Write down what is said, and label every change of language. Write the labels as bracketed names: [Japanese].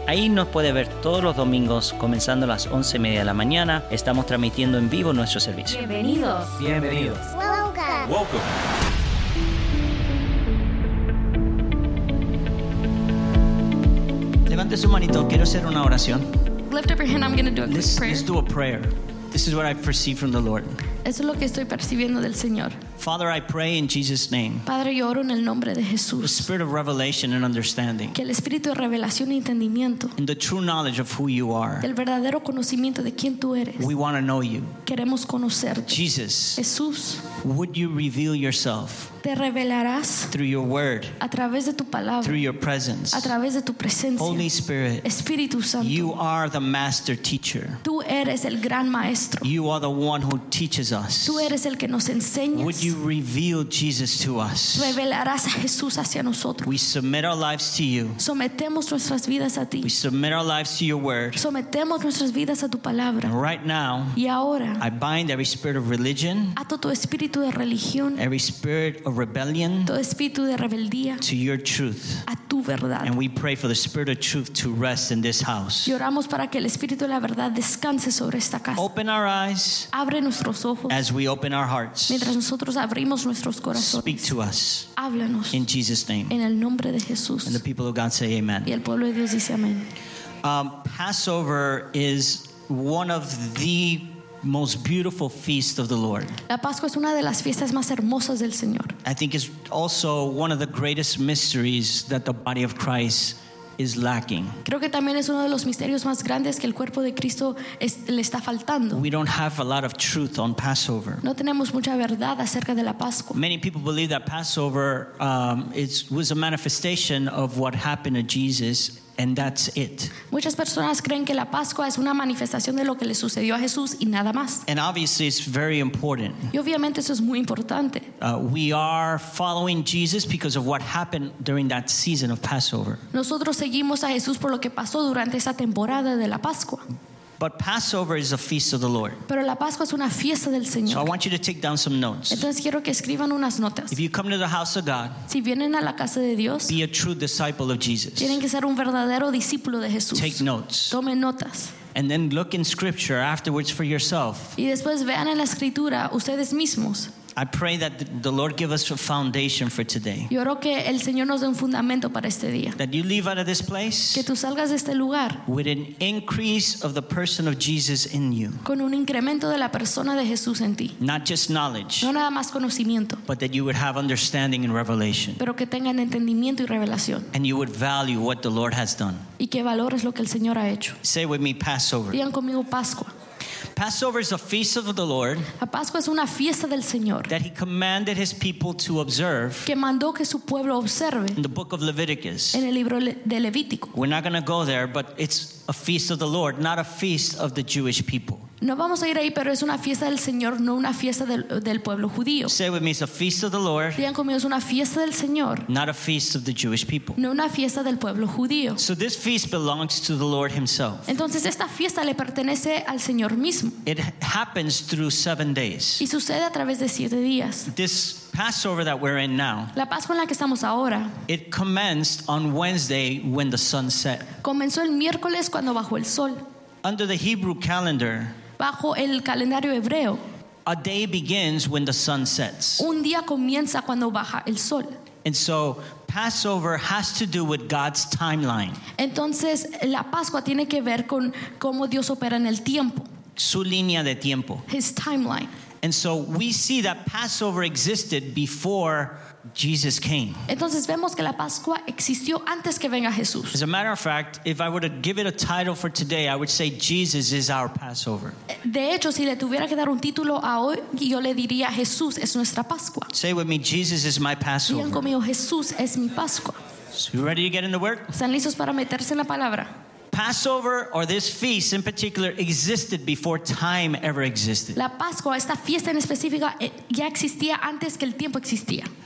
[Spanish] Ahí nos puede ver todos los domingos comenzando a las 11:30 a.m. Estamos transmitiendo en vivo nuestro servicio. Bienvenidos. Bienvenidos. [English] Welcome. Welcome. [Spanish] Levante su manito, quiero hacer una oración. [English] Lift up your hand, I'm going to do a quick prayer. Let's do a prayer. This is what I perceive from the Lord. [Spanish] Eso es lo que estoy percibiendo del Señor. [English] Father, I pray in Jesus' name. [Spanish] Padre, yo oro en el nombre de Jesús. [English] The spirit of revelation and understanding. [Spanish] Que el espíritu de revelación y entendimiento. [English] And the true knowledge of who you are. [Spanish] Del verdadero conocimiento de quién tú eres. [English] We want to know you. [Spanish] Queremos conocerte. [English] Jesus. [Spanish] Jesús. [English] Would you reveal yourself? [Spanish] Te revelarás. [English] Through your word. [Spanish] A través de tu palabra. [English] Through your presence. [Spanish] A través de tu presencia. [English] Holy Spirit. [Spanish] Espíritu Santo. [English] You are the master teacher. [Spanish] Tú eres el gran maestro. [English] You are the one who teaches us. [Spanish] Tú eres el que nos enseñas. [English] Would you reveal Jesus to us? [Spanish] Revelarás a Jesús hacia nosotros. [English] We submit our lives to you. [Spanish] Sometemos nuestras vidas a ti. [English] We submit our lives to your word. [Spanish] Sometemos nuestras vidas a tu palabra. [English] And right now, [Spanish] y ahora, [English] I bind every spirit of religion. [Spanish] Ato tu espíritu de religión. [English] Every spirit of rebellion. [Spanish] Todo espíritu de rebeldía. [English] To your truth. [Spanish] A tu verdad. [English] And we pray for the spirit of truth to rest in this house. [Spanish] Y oramos para que el espíritu de la verdad descanse sobre esta casa. [English] Open our eyes. [Spanish] Abre nuestros ojos. [English] As we open our hearts. [Spanish] Mientras nosotros abrimos nuestros corazones. [English] Speak to us. [Spanish] Háblanos. [English] In Jesus' name. [Spanish] En el nombre de Jesús. [English] And the people of God say amen. [Spanish] Y el pueblo de Dios dice amén. [English] Passover is one of the most beautiful feast of the Lord. [Spanish] La Pascua es una de las fiestas más hermosas del Señor. [English] I think it's also one of the greatest mysteries that the body of Christ is lacking. [Spanish] Creo que también es uno de los misterios más grandes que el cuerpo de Cristo le está faltando. [English] We don't have a lot of truth on Passover. [Spanish] No tenemos mucha verdad acerca de la Pascua. [English] Many people believe that Passover was a manifestation of what happened to Jesus, and that's it. [Spanish] Muchas personas creen que la Pascua es una manifestación de lo que le sucedió a Jesús y nada más. [English] And obviously, it's very important. [Spanish] Y obviamente eso es muy importante. [English] We are following Jesus because of what happened during that season of Passover. [Spanish] Nosotros seguimos a Jesús por lo que pasó durante esa temporada de la Pascua. [English] But Passover is a feast of the Lord. [Spanish] Pero la Pascua es una fiesta del Señor. [English] So I want you to take down some notes. [Spanish] Entonces quiero que escriban unas notas. [English] If you come to the house of God, [Spanish] si vienen a la casa de Dios, [English] be a true disciple of Jesus. [Spanish] Tienen que ser un verdadero discípulo de Jesús. [English] Take notes. [Spanish] Tomen notas. [English] And then look in Scripture afterwards for yourself. [Spanish] Y después vean en la Escritura ustedes mismos. [English] I pray that the Lord give us a foundation for today. [Spanish] Yo oro que el Señor nos dé un fundamento para este día. [English] That you leave out of this place. [Spanish] Que tú salgas de este lugar. [English] With an increase of the person of Jesus in you. [Spanish] Con un incremento de la persona de Jesús en ti. [English] Not just knowledge. [Spanish] No nada más conocimiento. [English] But that you would have understanding and revelation. [Spanish] Pero que tengan entendimiento y revelación. [English] And you would value what the Lord has done. [Spanish] Y que valores lo que el Señor ha hecho. [English] Say with me, Passover. [Spanish] Digan conmigo, Pascua. [English] Passover is a feast of the Lord. [Spanish] La Pascua es una fiesta del Señor. [English] That he commanded his people to observe. [Spanish] Que mandó que su pueblo observe. [English] In the book of Leviticus. [Spanish] En el libro de Levítico. [English] We're not going to go there, but it's a feast of the Lord, not a feast of the Jewish people. [Spanish] No vamos a ir ahí, pero es una fiesta del Señor, no una fiesta del pueblo judío. [English] Say with me, it's a feast of the Lord. [Spanish] Digan conmigo, es una fiesta del Señor. [English] Not a feast of the Jewish people. [Spanish] No una fiesta del pueblo judío. [English] So this feast belongs to the Lord himself. [Spanish] Entonces esta fiesta le pertenece al Señor mismo. [English] It happens through 7 days. [Spanish] Y sucede a través de 7 días. [English] This Passover that we're in now. [Spanish] La Pascua en la que estamos ahora. [English] It commenced on Wednesday when the sun set. [Spanish] Comenzó el miércoles cuando bajó el sol. [English] Under the Hebrew calendar. [Spanish] Bajo el calendario hebreo. [English] A day begins when the sun sets. [Spanish] Un día comienza cuando baja el sol. [English] And so Passover has to do with God's timeline. [Spanish] Entonces la Pascua tiene que ver con cómo Dios opera en el tiempo. Su línea de tiempo. [English] His timeline. And so we see that Passover existed before Jesus came. [Spanish] Entonces vemos que la Pascua existió antes que venga Jesús. [English] As a matter of fact, if I were to give it a title for today, I would say Jesus is our Passover. [Spanish] De hecho, si le tuviera que dar un título a hoy, yo le diría Jesús es nuestra Pascua. [English] Say with me, Jesus is my Passover. [Spanish] Digan conmigo, Jesús es mi Pascua. [English] So you ready to get in the Word? [Spanish] ¿Están listos para meterse en la palabra? [English] Passover, or this feast in particular, existed before time ever existed. [Spanish] La Pascua, esta fiesta en específica, ya existía antes que el tiempo existía.